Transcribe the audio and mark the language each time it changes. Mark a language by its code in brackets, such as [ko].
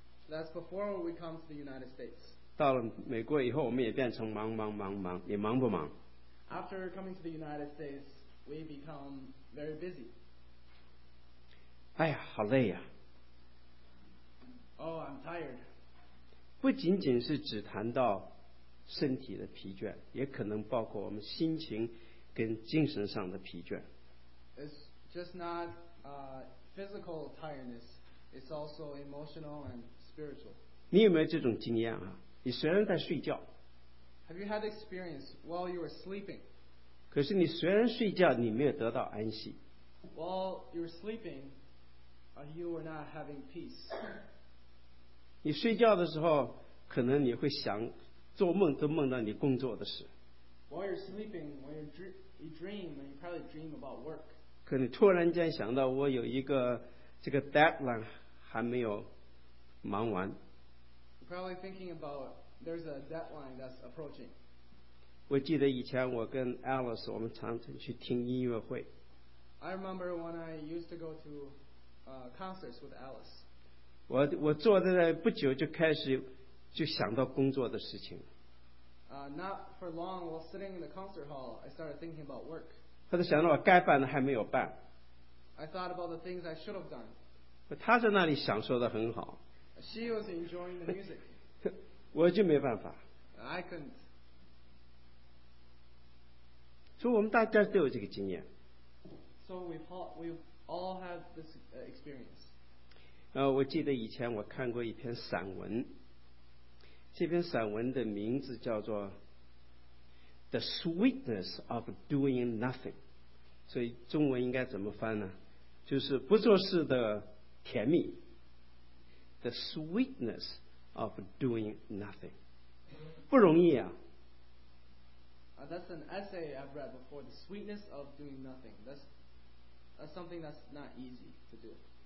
[en] That's before we come to the United States. [zh] 到了美国以后，我们也变成忙忙忙忙，你忙不忙？ [en] After coming to the United States, we become very busy. [zh] 哎呀，好累呀。 [en] Oh, I'm tired. [zh] 不仅仅是只谈到身体的疲倦，也可能包括我们心情跟精神上的疲倦。 [en] It's just not physical tiredness. It's also emotional and spiritual. [zh] 你有没有这种经验啊？你虽然在睡觉。 [en] Have you had experience while you were sleeping? [zh] 可是你虽然睡觉，你没有得到安息。 [en] While you're sleeping, you were not having peace. [zh] 你睡觉的时候，可能你会想，做梦都梦到你工作的事。 [en] While you're sleeping, when you dream, you probably dream about work. [zh] 可你突然间想到，我有一个这个 deadline 还没有忙完。 [en] You're probably thinking about there's a deadline that's approaching. [zh] 我记得以前我跟 Alice 我们常常去听音乐会。 [en] I remember when I used to go to concerts with Alice. [zh] 我坐在那不久就开始就想到工作的事情。 [en] Not for long while sitting in the concert hall, I started thinking about work. [zh] 他就想到我该办的还没有办。 [en] I thought about the things I should have done. [zh] 他在那里享受得很好。 [en] She was enjoying the music. [zh] 我就没办法。 [en] I couldn't. [zh] 所以我们大家都有这个经验。 [en] So we've all had this experience. [zh] 我记得以前我看过一篇散文，这篇散文的名字叫做 [en] The Sweetness of Doing Nothing. [zh] 所以中文应该怎么翻呢？就是不做事的甜蜜。 [en] The Sweetness of Doing Nothing. [zh] 不容易啊。 [en] That's an essay I've read before. The Sweetness of Doing Nothing. That's something that's not easy to do.